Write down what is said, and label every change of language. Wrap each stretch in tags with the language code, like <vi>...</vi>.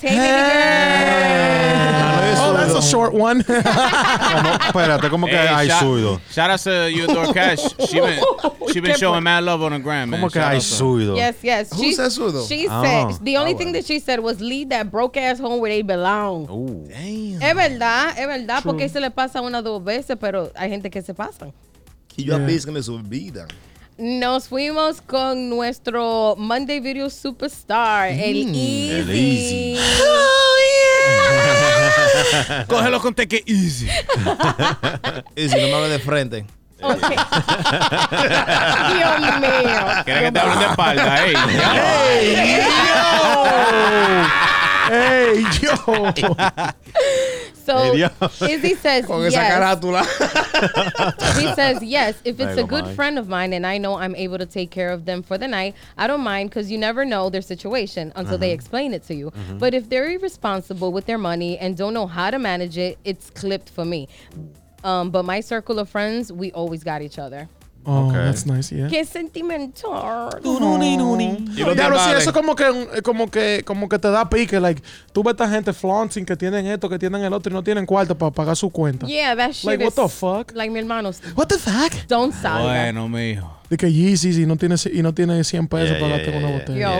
<en>Hey, baby girl. Oh, that's a short one. Shout out to You Adore Cass. She been showing mad love on the gram, man.</en> <es>Como que hay suido?</es> <en>Yes, yes. Who says suido? She said, the only thing that she said was lead that broke ass home where they belong. Ooh. Damn.</en> <es>Es verdad, porque se le pasa una dos veces, pero hay gente que se pasa. Y yo apenas me subí. Nos fuimos con nuestro Monday Video Superstar, el Easy.</es> <en>Oh, yeah.</en> <es>Cógelo con teque Easy. Easy, no me hables de frente. Okay. Dios mío. ¿Quieres que te hablen de espalda? ¡Ey! ¡Ey, yo!</es> <en>So Izzy says, yes. He says, yes, if it's a good friend of mine and I know I'm able to take care of them for the night, I don't mind because you never know their situation until they explain it to you. Mm-hmm. But if they're irresponsible with their money and don't know how to manage it, it's clipped for me. But my circle of friends, we always got each other. Oh, okay. That's nice, yeah.</en> <es>Qué sentimental. Claro, sí, eso como que te da pique. Like, tú ves a esta gente flaunting que tienen esto, que tienen el otro y no tienen cuarto para pagar su cuenta.</es> <en>Yeah, that shit. Like, what the fuck?</en> <es>Like, mi hermano.</es> <en>What the fuck? Don't sign.</en> <es>Bueno, mijo. De que Yeezy no tiene 100 pesos para pagarte con una botella.</es>